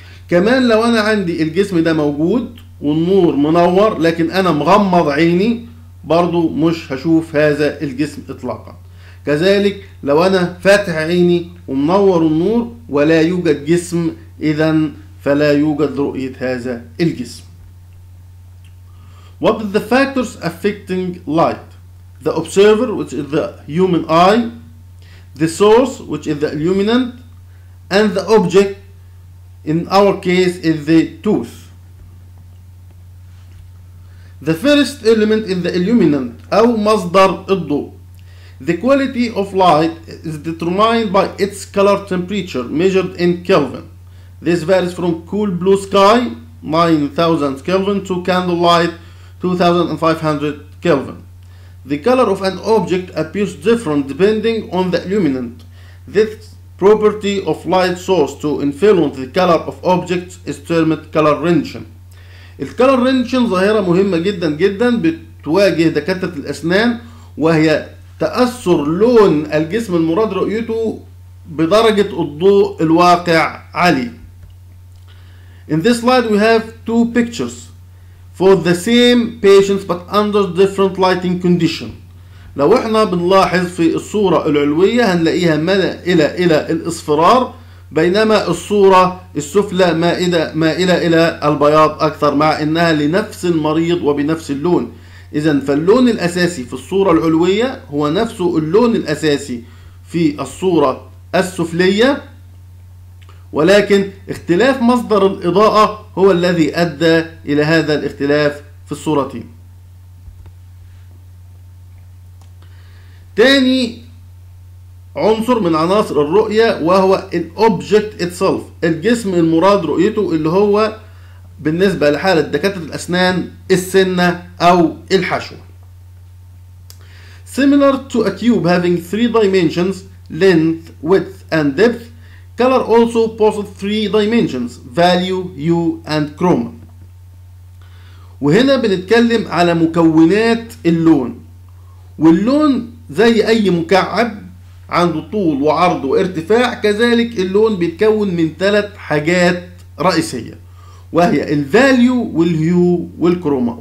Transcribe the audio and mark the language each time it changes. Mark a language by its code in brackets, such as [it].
[ar] كمان لو أنا عندي الجسم ده موجود والنور منور لكن أنا مغمض عيني، برضو مش هشوف هذا الجسم إطلاقا. كذلك لو أنا فاتح عيني ومنور النور ولا يوجد جسم، إذن فلا يوجد رؤية هذا الجسم. [en] What are the factors affecting light? The observer, which is the human eye, the source, which is the illuminant, and the object, in our case, is the tooth. The first element is the illuminant, [ar] أو مصدر الضوء. [en] The quality of light is determined by its color temperature measured in Kelvin. This varies from cool blue sky 9000 Kelvin to candlelight 2500 Kelvin. The color of an object appears different depending on the illuminant. This property of light source to influence the color of objects is termed color rendition. [ar] الكالر رينشن ظاهرة مهمة جدا جدا بتواجه دكاترة الأسنان، وهي تأثر لون الجسم المراد رؤيته بدرجة الضوء الواقع عليه. [en] In this slide we have two pictures for the same patients but under different lighting condition. [ar] لو احنا بنلاحظ في الصورة العلوية هنلاقيها مائلة إلى الإصفرار، بينما الصورة السفلى مائلة إلى البياض أكثر، مع إنها لنفس المريض وبنفس اللون. إذن فاللون الأساسي في الصورة العلوية هو نفسه اللون الأساسي في الصورة السفلية، ولكن اختلاف مصدر الإضاءة هو الذي أدى إلى هذا الاختلاف في الصورتين. تاني عنصر من عناصر الرؤية وهو الأوبجكت إتسلف، الجسم المراد رؤيته، اللي هو بالنسبة لحالة دكاترة الأسنان السنة أو الحشوة. Similar to a cube having three dimensions length, width and depth, color also possesses three dimensions value, hue and chroma. وهنا بنتكلم على مكونات اللون، واللون زي أي مكعب عنده طول وعرض وارتفاع. كذلك اللون بيتكون من ثلاث حاجات رئيسية وهي الفاليو والهيو والكروما.